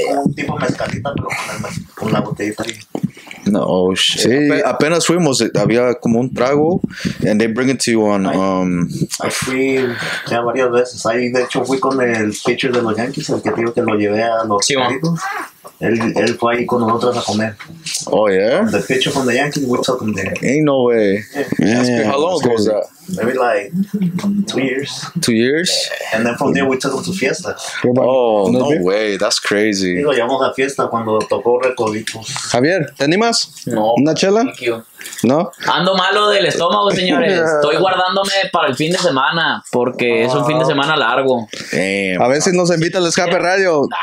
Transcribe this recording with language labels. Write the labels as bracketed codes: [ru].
[es] Un tipo mezcalita, pero con la botellita ahí. No, shit. Sí, apenas fuimos, había como un trago, [en] and they bring it to you on... [es] I fui ya varias veces, ahí de hecho fui con el pitcher de los Yankees, el que digo que lo llevé a los chicos, él fue ahí con nosotros a comer. [en] Oh, yeah? The pitcher from the Yankees, we took him there. Ain't no way. Yeah. How long ago was that? Maybe like 2 years. 2 years? And then from there we took him to Fiesta. Oh, no way. That's crazy. [es] Y lo llamamos a Fiesta cuando tocó Recoditos. Javier, ¿te animas? No. ¿Una chela? [en] Thank you. [es] ¿No? Ando malo del estómago, señores. Estoy guardándome para el fin de semana porque es un fin de semana largo. A ver si nos invita al Escape Radio.